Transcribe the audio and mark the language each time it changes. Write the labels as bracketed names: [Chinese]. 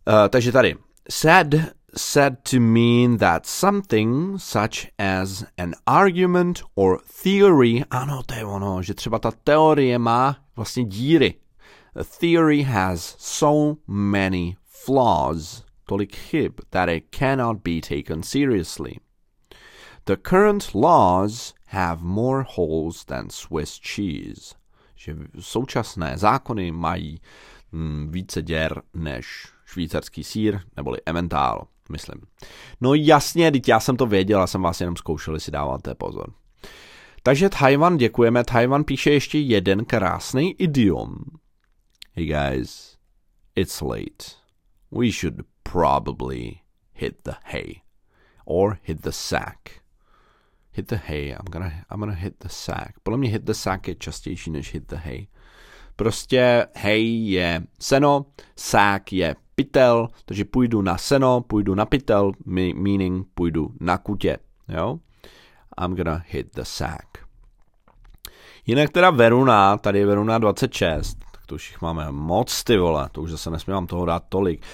[Czech] Takže tady. [English] Said to mean that something such as an argument or theory. [Czech] Ano, to je ono, že třeba ta teorie má vlastně díry. [English] A theory has so many flaws. [Czech] Tolik chyb, [English] that it cannot be taken seriously. The current laws have more holes than Swiss cheese. [Czech] Že současné zákony mají více děr než švýcarský sýr, neboli emmental, myslím. No jasně, teď já jsem to věděl a jsem vás jenom zkoušel, jestli dáváte pozor. Takže Tajvan, děkujeme. Tajvan píše ještě jeden krásný idiom. [English] Hey guys, it's late. We should probably hit the hay or hit the sack. Hit the hay, I'm gonna hit the sack. [Czech] Podle mě [English] hit the sack [Czech] je častější než [English] hit the hay. [Czech] Prostě hay je seno, sack je pytel, takže půjdu na seno, půjdu na pytel, meaning půjdu na kutě, jo? [English] I'm gonna hit the sack. [Czech] Jinak teda Veruna, tady je Veruna 26, to už máme moc, ty vole, to už zase nesmím vám toho dát tolik.